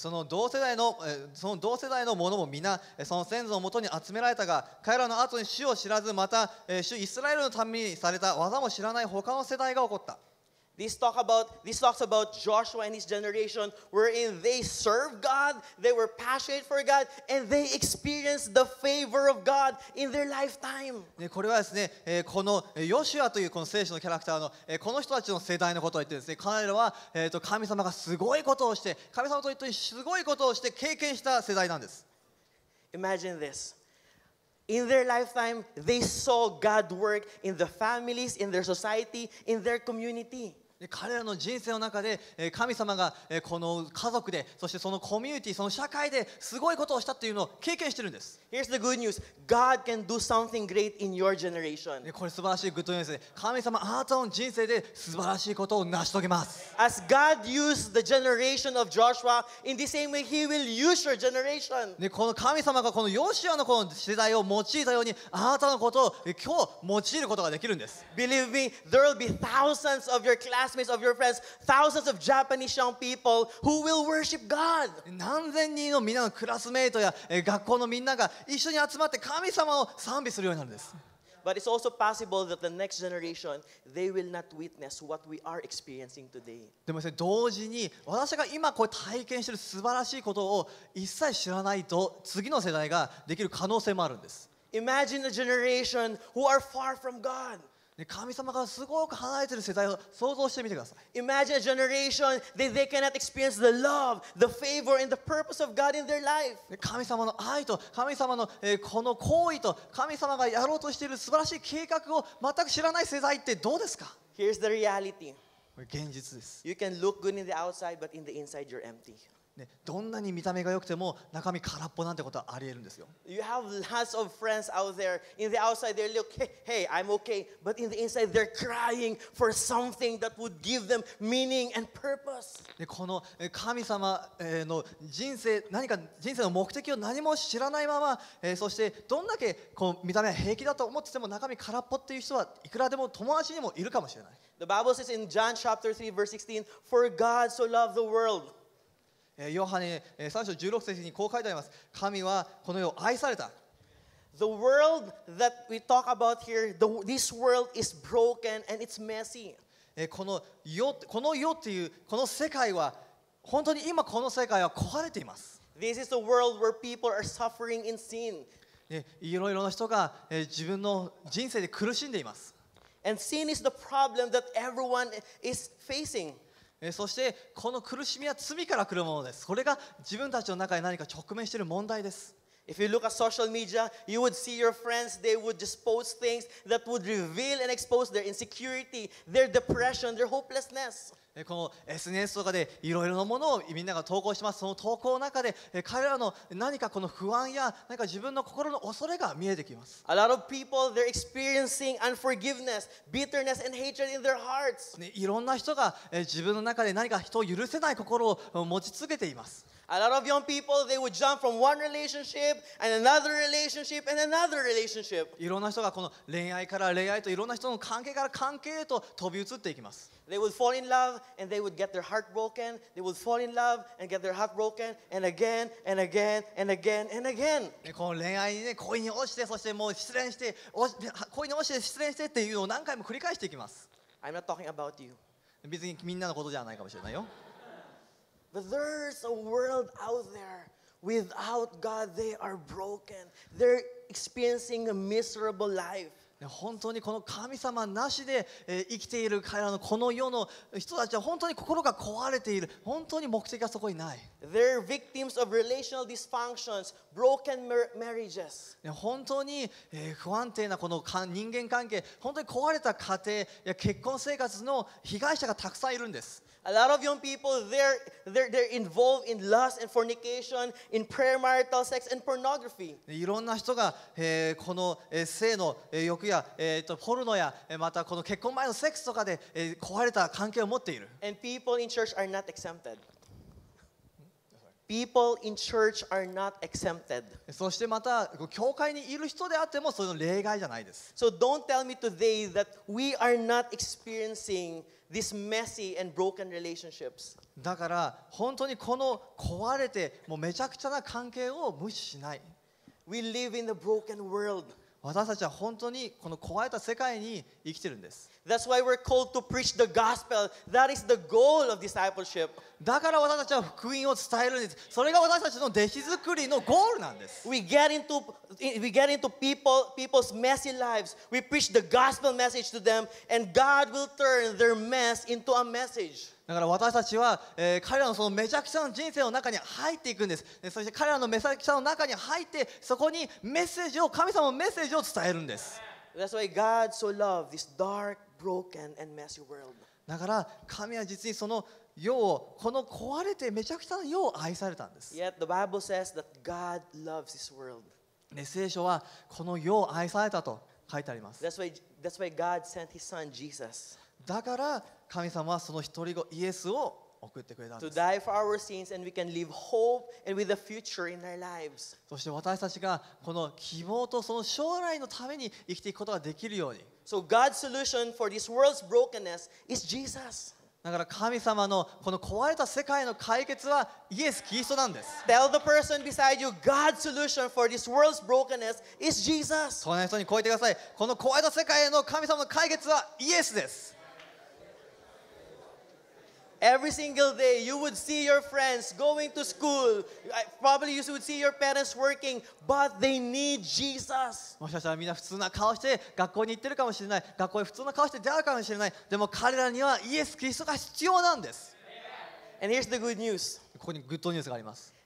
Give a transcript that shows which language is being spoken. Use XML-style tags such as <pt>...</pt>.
<ja>その同世代の者も皆その先祖のもとに集められたが彼らの後に主を知らずまた主イスラエルのためにされた技も知らない他の世代が起こった</ja> <en>This talks about Joshua and his generation wherein they served God, they were passionate for God, and they experienced the favor of God in their lifetime.</en> <ja>これはですね、このヨシュアというこの聖書のキャラクターのこの人たちの世代のことを言ってですね、彼らは神様がすごいことをして、神様と一緒にすごいことをして経験した世代なんです。</ja> <en>Imagine this. In their lifetime, they saw God work in the families, in their society, in their community.</en> <ja>彼らの人生の中で神様がこの家族で、そしてそのコミュニティ、その社会ですごいことをしたっていうのを経験してるんです。</ja> <en>Here's the good news. God can do something great in your generation.</en> <ja>これ素晴らしいグッドニュースです。神様、あなたの人生で素晴らしいことを成し遂げます。</ja> <en>As God used the generation of Joshua, in the same way, He will use your generation.</en> <ja>この神様がこのヨシュアのこの世代を用いたように、あなたのことを今日用いることができるんです。</ja> <en>Believe me, there will be thousands of your classmates, of your friends, thousands of Japanese young people who will worship God.</en> <ja>何千人のみんなのクラスメートや学校のみんなが一緒に集まって神様を賛美するようになるんです。</ja> <en>But it's also possible that the next generation, they will not witness what we are experiencing today.</en> <ja>でもですね、同時に私が今こう体験している素晴らしいことを一切知らないと次の世代ができる可能性もあるんです。</ja> <en>Imagine a generation who are far from God.</en> <ja>神様がすごく離れている世代を想像してみてください。</ja> <en>Imagine a generation that they cannot experience the love, the favor, and the purpose of God in their life.</en> <ja>神様の愛と神様のこの行為と神様がやろうとしている素晴らしい計画を全く知らない世代ってどうですか?</ja> <en>Here's the reality.</en> <ja>これ現実です。</ja> <en>You can look good in the outside, but in the inside you're empty.</en> <ja>どんなに見た目が良くても中身空っぽなんてことはありえるんですよ。</ja> <en>You have lots of friends out there. In the outside, they look, hey, I'm okay. But in the inside, they're crying for something that would give them meaning and purpose.</en> <ja>でこの神様の人生、何か人生の目的を何も知らないまま、そしてどんだけこう見た目は平気だと思ってても中身空っぽっていう人はいくらでも友達にもいるかもしれない。</ja> <en>The Bible says in John chapter 3 verse 16, For God so loved the world.</en> <ja>ヨハネ3章16節にこう書いてあります。神はこの世を愛された。</ja> <en>The world that we talk about here, this world is broken and it's messy.</en> <ja>この世っていう、この世界は、本当に今この世界は壊れています。</ja> <en>This is the world where people are suffering in sin.</en> <ja>いろいろな人が自分の人生で苦しんでいます。</ja> <en>And sin is the problem that everyone is facing.</en> <ja>そしてこの苦しみは罪から来るものです。これが自分たちの中で何か直面している問題です。</ja> <en>If you look at social media, you would see your friends, they would just post things that would reveal and expose their insecurity, their depression, their hopelessness.</en> <ja>この SNS とかでいろいろなものをみんなが投稿します。その投稿の中で彼らの何かこの不安や何か自分の心の恐れが見えてきます。</ja> <en>A lot of people, they're experiencing unforgiveness, bitterness, and hatred in their hearts.</en> <ja>いろんな人が自分の中で何か人を許せない心を持ち続けています。</ja> <en>A lot of young people, they would jump from one relationship and another relationship and another relationship.</en> <ja>いろんな人がこの恋愛から恋愛といろんな人の関係から関係へと飛び移っていきます。</ja> <en>They would fall in love and they would get their heart broken. They would fall in love and get their heart broken and again and again and again and again.</en> <ja>この恋愛にね、恋に落ちて、そしてもう失恋して、恋に落ちて失恋してっていうのを何回も繰り返していきます。</ja> <en>I'm not talking about you.</en> <ja>別にみんなのことじゃないかもしれないよ。</ja> <en>But there's a world out there without God. They are broken. They're experiencing a miserable life.</en> <ja>本当にこの神様なしで生きている彼らのこの世の人たちは本当に心が壊れている。本当に目的がそこにない。</ja> <en>They're victims of relational dysfunctions, broken marriages.</en> <ja>本当に不安定なこの人間関係、本当に壊れた家庭や結婚生活の被害者がたくさんいるんです。</ja> <en>A lot of young people, they're involved in lust and fornication, in premarital sex and pornography.</en> <ja>いろんな人が、この、性の、欲や、ポルノや、またこの結婚前のセックスとかで、壊れた関係を持っている。</ja> <en>And people in church are not exempted. People in church are not exempted.</en> <ja>そしてまた、教会にいる人であっても、その例外じゃないです。</ja> <en>So don't tell me today that we are not experiencingThis messy and broken relationships.</en> <ja>だから本当にこの壊れてもうめちゃくちゃな関係を無視しない。</ja> <en>We live in the broken world.</en> <ja>私たちは本当にこの壊れた世界に生きてるんです。</ja> <en>That's why we're called to preach the gospel. That is the goal of discipleship.</en> <ja>だから私たちは福音を伝えるんです。それが私たちの弟子作りのゴールなんです。</ja> <en>We get into people's messy lives. We preach the gospel message to them, and God will turn their mess into a message.</en> <ja>だから私たちは、彼らのそのめちゃくちゃの人生の中に入っていくんです。そして彼らのめちゃくちゃの中に入って、そこにメッセージを、神様のメッセージを伝えるんです。</ja> <en>That's why God so loved this dark, broken, and messy world.</en> <ja>だから神は実にその世を、この壊れてめちゃくちゃの世を愛されたんです。</ja> <en>Yet the Bible says that God loves this world.</en> <ja>聖書はこの世を愛されたと書いてあります。</ja> <en>That's why God sent His Son Jesus.</en> <ja>だから神様はその一人子イエスを送ってくれたんです。</ja> <en>To die for our sins and we can live hope and with a future in our lives.</en> <ja>そして私たちがこの希望とその将来のために生きていくことができるように。</ja> <en>So God's solution for this world's brokenness is Jesus.</en> <ja>だから神様のこの壊れた世界の解決はイエス・キリストなんです。</ja> <en>Tell the person beside you, God's solution for this world's brokenness is Jesus.</en> <ja>そんな人に聞いてください。この壊れた世界への神様の解決はイエスです。</ja> <en>Every single day, you would see your friends going to school. Probably you would see your parents working, but they need Jesus.</en> <ja>もしかしたらみんな普通な顔して学校に行ってるかもしれない。学校へ普通な顔して出会うかもしれない。でも彼らにはイエス・キリストが必要なんです。</ja> <en>And here's the good news.</en> <ja>ここにグッドニュースがあります。</ja>